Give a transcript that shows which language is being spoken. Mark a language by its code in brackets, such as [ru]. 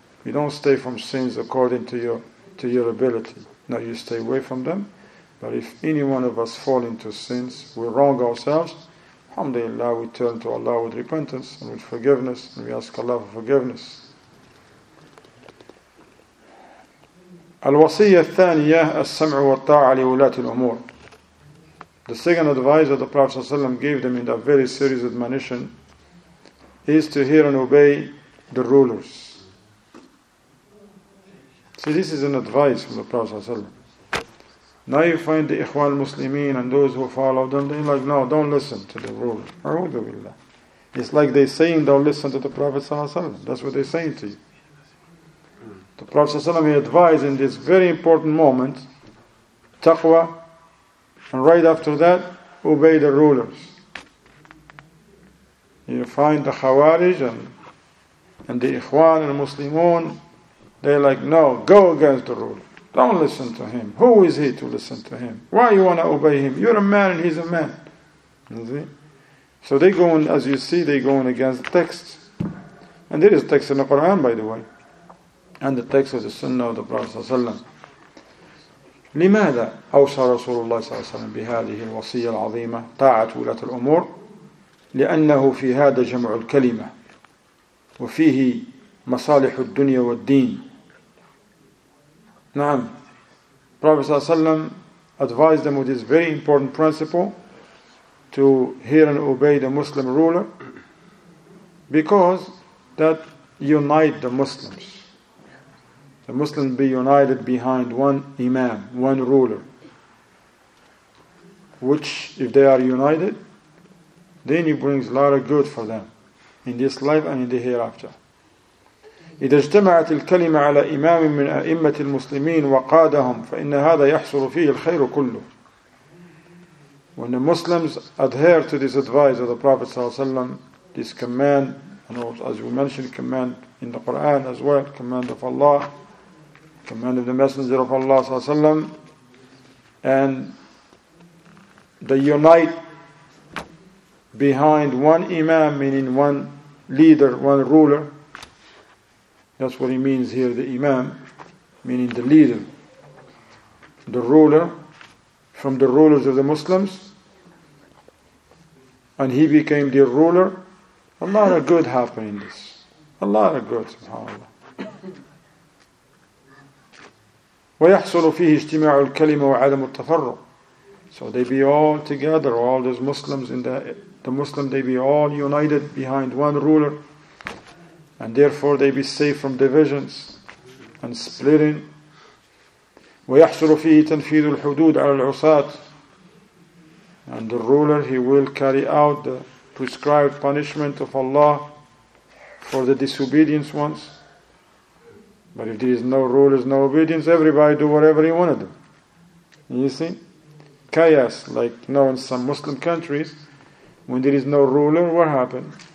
[en] You don't stay from sins according to your ability. No, you stay away from them. But if any one of us fall into sins, we wrong ourselves, alhamdulillah, we turn to Allah with repentance and with forgiveness, and we ask Allah for forgiveness. [ar] الوصية الثانية السمع والطاعة لولاة الأمور. [en] The second advice that the Prophet [ar] صلى الله عليه وسلم [en] gave them in that very serious admonition is to hear and obey the rulers. See, this is an advice from the Prophet [ar] صلى الله عليه وسلم. [en] Now you find the Ikhwan Muslimin and those who follow them, they're like, no, don't listen to the rulers. [ar] أعوذ بالله. [en] It's like they're saying, don't listen to the Prophet [ar] صلى الله عليه وسلم. [en] That's what they're saying to you. The Prophet ﷺ advised in this very important moment, taqwa, and right after that, obey the rulers. You find the Khawarij and the Ikhwan and Muslimun, they're like, no, go against the ruler. Don't listen to him. Who is he to listen to him? Why you want to obey him? You're a man and he's a man. You see? So they go on, as you see, they go on against the text. And there is a text in the Quran, by the way. And the text of the Sunnah of the Prophet ﷺ. [ar] لماذا أوصى رسول الله صلى الله عليه وسلم بهذه الوصية العظيمة طاعة ولاة الأمور؟ لأنه في هذا جمع الكلمة وفيه مصالح الدنيا والدين. نعم. [en] Prophet ﷺ advised them with this very important principle to hear and obey the Muslim ruler because that unite the Muslims. The Muslims be united behind one imam, one ruler. Which, if they are united, then he brings a lot of good for them in this life and in the hereafter. [ar] إذا اجتمعت الكلمة على إمام من أئمة المسلمين وقادهم فإن هذا يحصل فيه الخير كله. [en] When the Muslims adhere to this advice of the Prophet [ar] صلى الله عليه وسلم, [en] this command, and as we mentioned, command in the Quran as well, command of Allah, command of the Messenger of Allah صلى الله عليه وسلم, and they unite behind one imam, meaning one leader, one ruler. That's what he means here, the imam, meaning the leader, the ruler, from the rulers of the Muslims, and he became their ruler. A lot of good happened in this. A lot of good, subhanAllah. [ar] ويحصل فيه اجتماع الكلمة وعدم التفرق. [en] So they be all together, all those Muslims in the Muslim, they be all united behind one ruler, and therefore they be safe from divisions and splitting. [ar] ويحصل فيه تنفيذ الحدود على العصاة. [en] And the ruler, he will carry out the prescribed punishment of Allah for the disobedience ones. But if there is no rulers, no obedience, everybody do whatever he want to do. You see? Chaos, like you know, in some Muslim countries, when there is no ruler, what happens?